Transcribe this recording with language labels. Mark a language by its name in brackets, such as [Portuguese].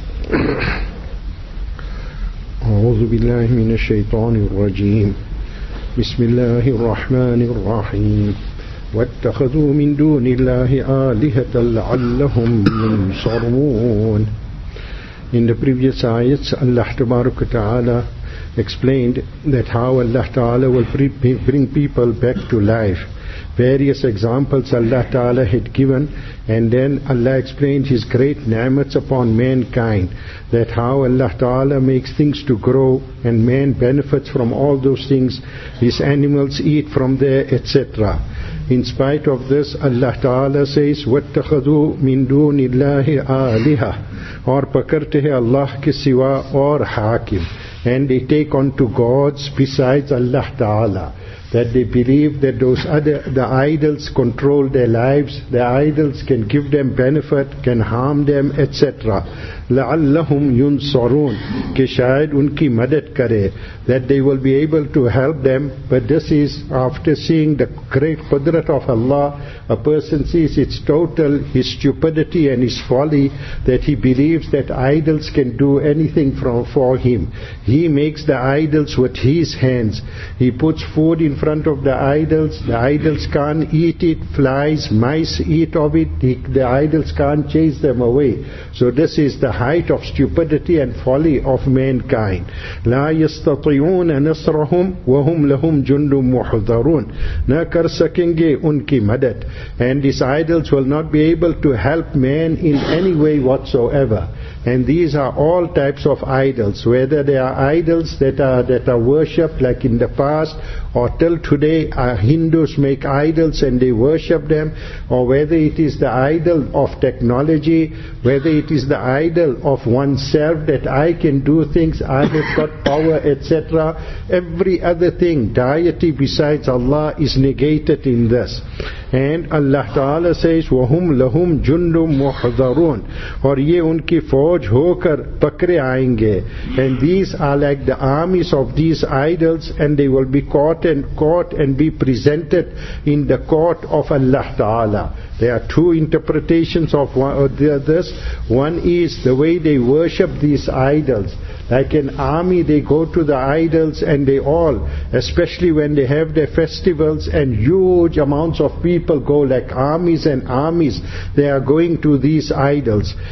[Arabic] أعوذ بالله من الشيطان الرجيم. بسم الله الرحمن الرحيم. واتخذوا من دون الله آلهة لعلهم ينصرون. [English] In the previous ayats, Allah Tabaraka Ta'ala explained that how Allah Ta'ala will bring people back to life. Various examples Allah Ta'ala had given, and then Allah explained His great ni'mats upon mankind, that how Allah Ta'ala makes things to grow and man benefits from all those things, his animals eat from there, etc. In spite of this, Allah Ta'ala says, [Arabic] وَاتَّخَذُوا مِن دُونِ اللَّهِ آلِهَةً [Urdu] اور پکرتے ہیں اللہ کے سوا اور حاکم. [English] And they take on to gods besides Allah Ta'ala, that they believe that those other, the idols control their lives, the idols can give them benefit, can harm them, etc. [Arabic] لَعَلَّهُمْ يُنصَرُونَ [Urdu] کہ شاید ان کی مدد کرے, [English] that they will be able to help them. But this is after seeing the great قدرت of Allah, a person sees its total, his stupidity and his folly, that he believes that idols can do anything for him. He makes the idols with his hands. He puts food in front of the idols can't eat it, flies, mice eat of it, the idols can't chase them away. So this is the height of stupidity and folly of mankind. [Arabic] لا يستطيعون نصرهم وهم لهم جند محضرون. [Urdu] نہ کر سکیں گے ان کی مدد. [English] And these idols will not be able to help man in any way whatsoever. And these are all types of idols, whether they are idols that are worshipped like in the past, or till today Hindus make idols and they worship them, or whether it is the idol of technology, whether it is the idol of oneself, that I can do things, I have got power, etc. Every other thing, deity besides Allah, is negated in this. And Allah Ta'ala says, [Arabic] وَهُمْ لَهُمْ جُنْدٌ مُحْضَرُونَ [Urdu] اور یہ ان کی فوج ہو کر پکرے آئیں گے. [English] And these are like the armies of these idols, and they will be caught and be presented in the court of Allah Ta'ala. There are two interpretations of this. One is the way they worship these idols. Like an army, they go to the idols and they all, especially when they have their festivals and huge amounts of people go, like armies and armies, they are going to these idols.